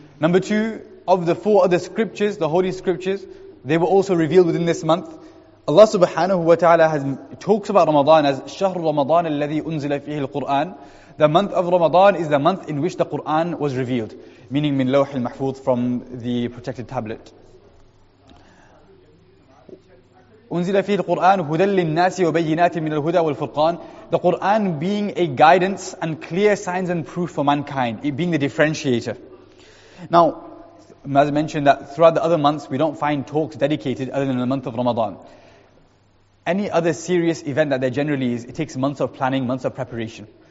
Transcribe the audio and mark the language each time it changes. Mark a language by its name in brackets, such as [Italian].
[English] Number two, of the four other scriptures, the holy scriptures, they were also revealed within this month. Allah subhanahu wa ta'ala talks about Ramadan as [Arabic] شهر رمضان الذي أنزل فيه القرآن. [English] The month of Ramadan is the month in which the Qur'an was revealed. Meaning [Arabic] من لوح المحفوظ, [English] from the protected tablet. [Arabic] أنزل فيه القرآن هدى للناس وبينات من الهدى والفرقان. [English] The Qur'an being a guidance and clear signs and proof for mankind. It being the differentiator. Now, as I mentioned, that throughout the other months we don't find talks dedicated other than the month of Ramadan. Any other serious event that there generally is, it takes months of planning, months of preparation.